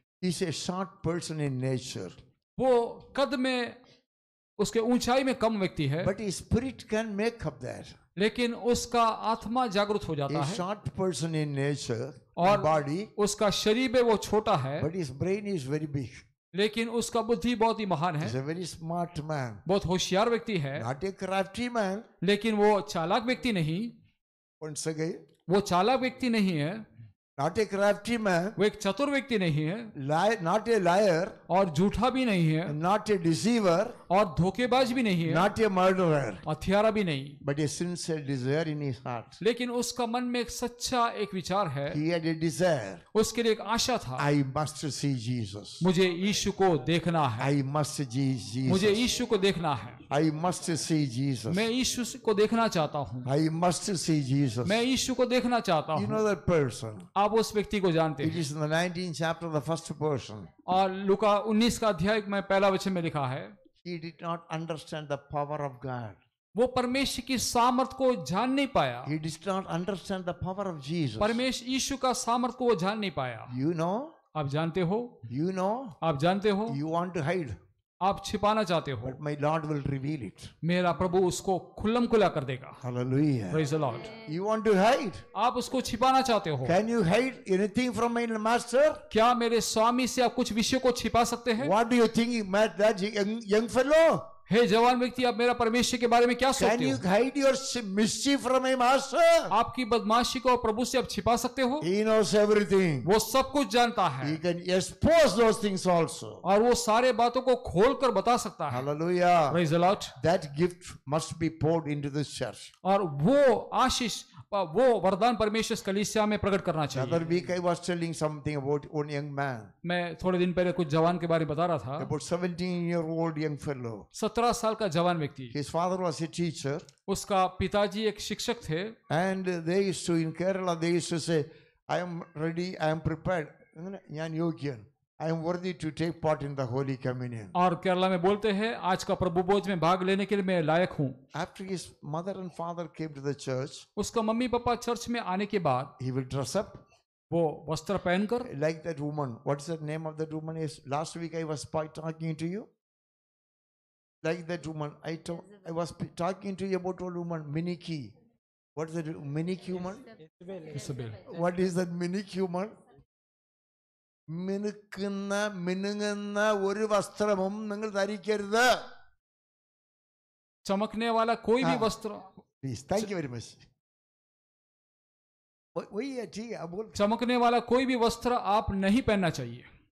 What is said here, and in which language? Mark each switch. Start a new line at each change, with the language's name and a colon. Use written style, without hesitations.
English: He's a short person in nature.
Hindi: वो कद में उसके ऊंचाई में कम व्यक्ति है.
English: But his spirit can make up there.
Hindi: लेकिन उसका आत्मा जागृत हो जाता है.
English: Short person in nature.
Hindi: और बॉडी उसका शरीर में वो छोटा है.
English: But his brain is very big.
Hindi: लेकिन उसका बुद्धि बहुत ही महान है.
English: He's a very smart man.
Hindi: बहुत होशियार व्यक्ति है.
English: Not a crafty man.
Hindi: लेकिन वो चालाक व्यक्ति नहीं.
English: Once again.
Hindi: वो चालाक व्यक्ति नहीं है.
English: Not a crafty man.
Hindi: वो एक चतुर व्यक्ति नहीं है.
English: Not a liar.
Hindi: और झूठा भी नहीं है.
English: Not a deceiver.
Hindi: और धोखेबाज भी नहीं है.
English: Not a murderer.
Hindi: हत्यारा भी नहीं.
English: But a sincere desire in his heart.
Hindi: लेकिन उसका मन में एक सच्चा एक विचार है.
English: He had a desire.
Hindi: उसके लिए एक आशा था.
English: I must see Jesus.
Hindi: मुझे यीशु को देखना है.
English: I must see Jesus.
Hindi: मुझे यीशु को देखना है.
English: I must see Jesus.
Hindi: मैं यीशु को देखना चाहता हूँ.
English: I must see Jesus.
Hindi: मैं यीशु को देखना चाहता हूँ.
English: You know that person.
Hindi: आप उस व्यक्ति को जानते हैं.
English: It is in the 19th chapter, the first person.
Hindi: और लुका 19 का अध्याय में पहला वचन में लिखा है.
English: He did not understand the power of God.
Hindi: वो परमेश्वर की सामर्थ को जान नहीं पाया.
English: He did not understand the power of Jesus.
Hindi: परमेश्वर यीशु का सामर्थ को वो जान नहीं पाया.
English: You know.
Hindi: आप जानते हो.
English: You know.
Hindi: आप जानते हो.
English: You want to hide.
Hindi: आप छिपाना चाहते हो.
English: But my Lord will reveal it.
Hindi: मेरा प्रभु उसको खुल्लम खुला कर देगा.
English: Hallelujah. Praise the Lord. You want to hide?
Hindi: आप उसको छिपाना चाहते हो.
English: Can you hide anything from my master?
Hindi: क्या मेरे स्वामी से आप कुछ विषय को छिपा सकते हैं?
English: What do you think, my that young fellow?
Hindi: हे जवान व्यक्ति, आप मेरा परमेश्वर के बारे में क्या सोचते हो?
English: Can you hide your mischief from my master?
Hindi: आपकी बदमाशी को प्रभु से आप छिपा सकते हो?
English: He knows everything.
Hindi: वो सब कुछ जानता है.
English: He can expose those things also.
Hindi: और वो सारे बातों को खोल कर बता सकता है.
English: Hallelujah. Praise the Lord. That gift must be poured into this church.
Hindi: और वो आशीष, वो वरदान परमेश्वर कलीसिया में प्रकट करना चाहिए.
English: Other week I was telling something about one young man.
Hindi: मैं थोड़े दिन पहले कुछ जवान के बारे में बता रहा था.
English: About 17-year-old young fellow.
Hindi: 17 साल का जवान व्यक्ति.
English: His father was a teacher.
Hindi: उसका पिताजी एक शिक्षक थे.
English: And they used to in Kerala, they used to say, I am ready, I am prepared.
Malayalam: यान योग्यन.
English: I am worthy to take part in the Holy Communion.
Hindi: और केरला में बोलते हैं, आज का प्रभु भोज में भाग लेने के लिए मैं लायक हूँ.
English: After his mother and father came to the church,
Hindi: उसका मम्मी पापा चर्च में आने के बाद,
English: he will dress up,
Hindi: वो वस्त्र पहनकर,
English: like that woman. What is the name of that woman? Is last week I was talking to you. Like that woman, I was talking to you about a woman, Miniki. What is that Miniki woman? Isabel. What is that Miniki woman?
Malayalam: മിനുക്കുന്ന മിനുങ്ങുന്ന ഒരു വസ്ത്രവും നിങ്ങൾ ധരിക്കരുത്.
Hindi: ചമക്കുന്ന വല കോയി B വസ്ത്രം.
English: Please, thank you very much. ഓയ് യാ ജി, ആ ബോൾ.
Hindi: ചമക്കുന്ന വല കോയി B വസ്ത്രം app നഹി പെന്നാ ചെയ്യേ.